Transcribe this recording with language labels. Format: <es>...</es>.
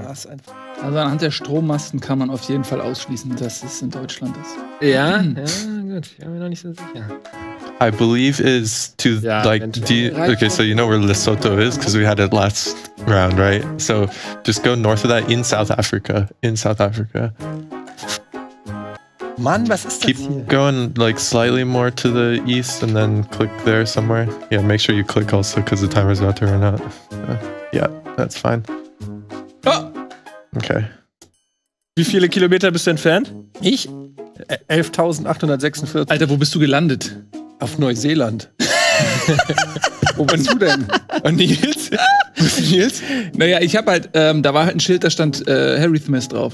<de>Also anhand der Strommasten kann man auf jeden Fall ausschließen, dass es in Deutschland ist. Ja, gut. Ich bin mir noch nicht so sicher.</de> <en>I believe is to yeah, like okay, so you know where Lesotho is because we had it last round, right? So just go north of that in South Africa. In South Africa.</en> <de>Mann, was ist</de> <en>keep</en> <de>das hier?</de> <en>Keep going like slightly more to the east and then click there somewhere. Yeah, make sure you click also because the timer is about to run out. Yeah, that's fine. Oh! Okay.</en> <de>Wie viele Kilometer bist du entfernt? Ich? 11.846. Alter, wo bist du gelandet? Auf Neuseeland. Wo bist du denn? Und Nils? Nils? Naja, ich hab halt, da war halt ein Schild, da stand Harry Smith drauf.</de>